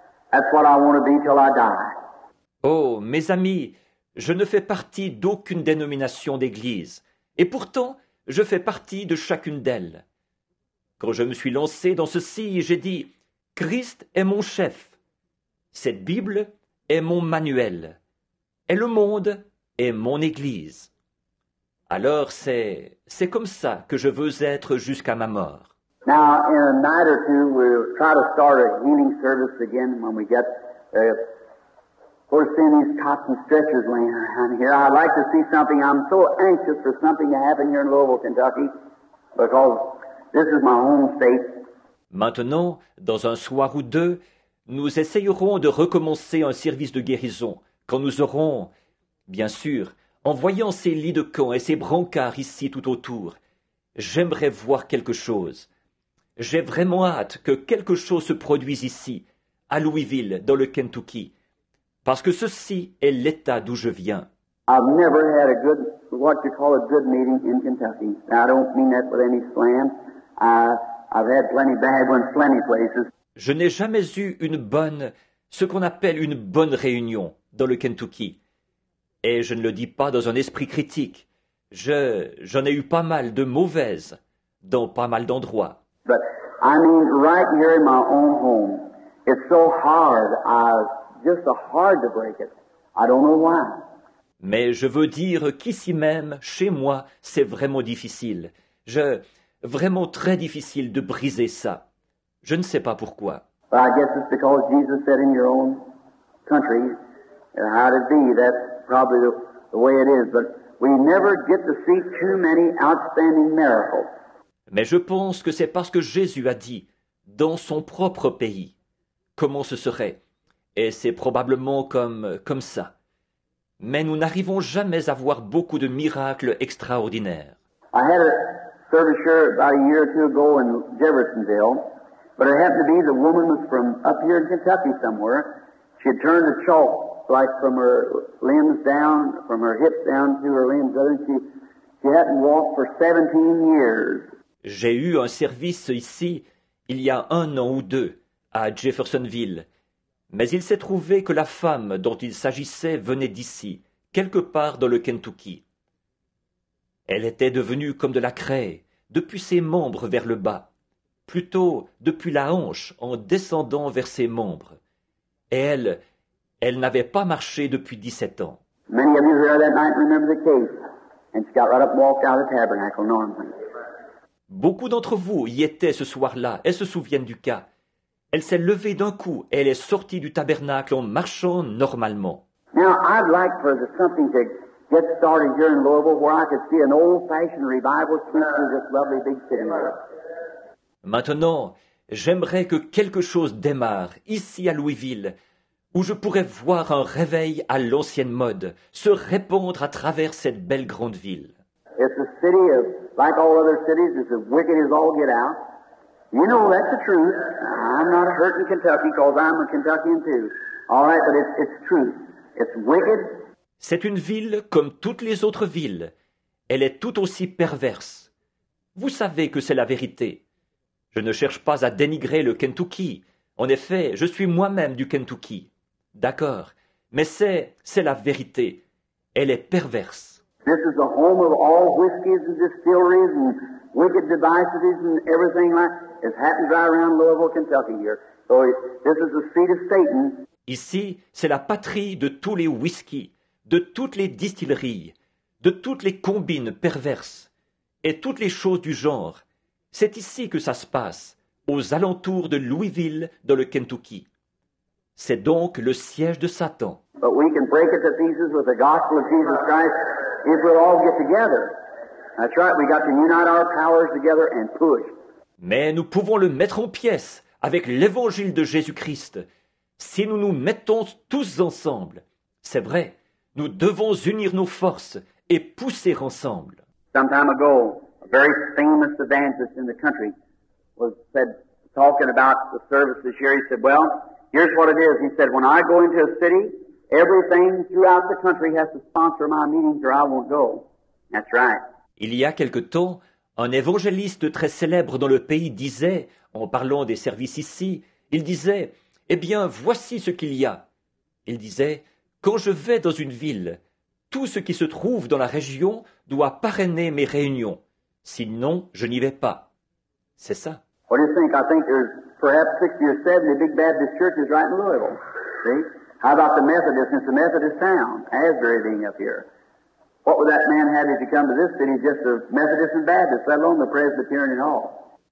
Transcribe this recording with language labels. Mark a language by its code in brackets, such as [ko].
[en] That's what I want to be till I die. [fr] Oh, mes amis, je ne fais partie d'aucune dénomination d'église, et pourtant, je fais partie de chacune d'elles. Quand je me suis lancé dans ceci, j'ai dit, « Christ est mon chef. Cette Bible est mon manuel. Et le monde est mon église. » Alors, c'est comme ça que je veux être jusqu'à ma mort. [en] Now, in a night or two, we'll try to start a healing service again when we get we're seeing these cotton stretchers laying around here. I'd like to see something. I'm so anxious for something to happen here in Louisville, Kentucky, because this is my home state. [fr] Maintenant, dans un soir ou deux, nous essayerons de recommencer un service de guérison quand nous aurons, bien sûr, en voyant ces lits de camp et ces brancards ici tout autour, j'aimerais voir quelque chose. J'ai vraiment hâte que quelque chose se produise ici, à Louisville, dans le Kentucky. Parce que ceci est l'état d'où je viens. [en] I've never had a good, what you call a good meeting in Kentucky. Now, I don't mean that with any slam. I've had plenty bad ones, plenty places. [fr] Je n'ai jamais eu une bonne, ce qu'on appelle une bonne réunion dans le Kentucky. Et je ne le dis pas dans un esprit critique. J'en ai eu pas mal de mauvaises dans pas mal d'endroits. [en] But I mean, right here in my own home, it's so hard. Just so hard to break it. I don't know why. [fr] Mais je veux dire qu'ici même, chez moi, c'est vraiment difficile. Vraiment très difficile de briser ça. Je ne sais pas pourquoi. [en] But I guess it's because Jesus said in your own country, how it be, that's probably the way it is. But we never get to see too many outstanding miracles. [fr] Mais je pense que c'est parce que Jésus a dit, dans son propre pays, comment ce serait. Et c'est probablement comme ça. Mais nous n'arrivons jamais à voir beaucoup de miracles extraordinaires. [en] I had a service here about a year or two ago in Jeffersonville, but it happened to be the woman was from up here in Kentucky somewhere. She had turned the chalk like from her limbs down, from her hips down to her limbs, and she hadn't walked for 17 years. [fr] J'ai eu un service ici il y a un an ou deux à Jeffersonville. Mais il s'est trouvé que la femme dont il s'agissait venait d'ici, quelque part dans le Kentucky. Elle était devenue comme de la craie, depuis ses membres vers le bas, plutôt depuis la hanche en descendant vers ses membres. Et elle n'avait pas marché depuis 17 ans. [en] Many of you here that night remember the case, and she got right up and walked out of the tabernacle, Norman. [fr] Beaucoup d'entre vous y étaient ce soir-là et se souviennent du cas. Elle s'est levée d'un coup et elle est sortie du tabernacle en marchant normalement. [en] Now, I'd like for something to get started here in Louisville where I could see an old-fashioned revival church in this lovely big city. [fr] Maintenant, j'aimerais que quelque chose démarre ici à Louisville où je pourrais voir un réveil à l'ancienne mode se répandre à travers cette belle grande ville. [en] It's a city of, like all other cities, it's as wicked as all get out. You know, that's the truth. I'm not hurting Kentucky because I'm a Kentuckian too. All right, but it's true. It's wicked. [fr] C'est une ville comme toutes les autres villes. Elle est tout aussi perverse. Vous savez que c'est la vérité. Je ne cherche pas à dénigrer le Kentucky. En effet, je suis moi-même du Kentucky. D'accord. Mais c'est la vérité. Elle est perverse. [en] This is the home of all whiskeys and distilleries and wicked devices and everything like that happens right around Louisville, Kentucky here. So this is the seat of Satan. [fr] Ici, c'est la patrie de tous les whiskies, de toutes les distilleries, de toutes les combines perverses et toutes les choses du genre. C'est ici que ça se passe, aux alentours de Louisville, dans le Kentucky. C'est donc le siège de Satan. [en] But we can break it to pieces with the gospel of Jesus Christ if we'll all get together. That's right, we got to unite our powers together and push. [fr] Mais nous pouvons le mettre en pièces avec l'évangile de Jésus-Christ si nous nous mettons tous ensemble. C'est vrai, nous devons unir nos forces et pousser ensemble. [en] Some time ago, a very famous evangelist in the country was said talking about the service this year. He said, well, here's what it is. He said, when I go into a city, everything throughout the country has to sponsor my meetings or I won't go. That's right. [fr] Il y a quelque temps, un évangéliste très célèbre dans le pays disait, en parlant des services ici, il disait, eh bien, voici ce qu'il y a. Il disait, quand je vais dans une ville, tout ce qui se trouve dans la région doit parrainer mes réunions. Sinon, je n'y vais pas. C'est ça. [en] What do you think? I think there's perhaps 60 or 70 big Baptist churches right in Louisville. See? How about the Methodists? It's the Methodist town, Asbury being up here. What would that man have if he come to this city just as Methodist and Baptist, let alone the Presbyterian and all?